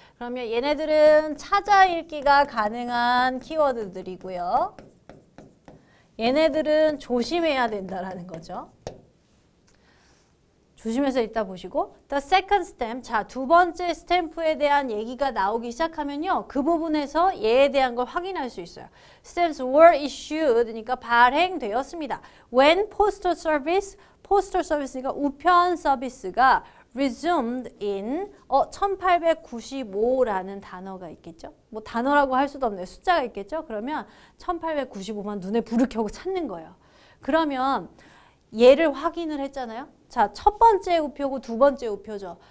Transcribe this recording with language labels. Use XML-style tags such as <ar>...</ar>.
<ko>그러면 얘네들은 찾아읽기가 가능한 키워드들이고요. 얘네들은 조심해야 된다라는 거죠. 조심해서 읽다 보시고.</ko> <en>The second stamp.</en> <ko>자, 두 번째 stamp에 대한 얘기가 나오기 시작하면요. 그 부분에서 얘에 대한 걸 확인할 수 있어요.</ko> <en>Stamps were issued니까</en> <ko>발행되었습니다.</ko> <en>When postal service?</en> <ko>Postal service니까 우편 서비스가</ko> <en>resumed in 1895</en> <ko>라는 단어가 있겠죠? 뭐 단어라고 할 수도 없네요. 숫자가 있겠죠? 그러면 1895만 눈에 부르켜고 찾는 거예요. 그러면 얘를 확인을 했잖아요. 자, 첫 번째 우표고 두 번째 우표죠.</ko>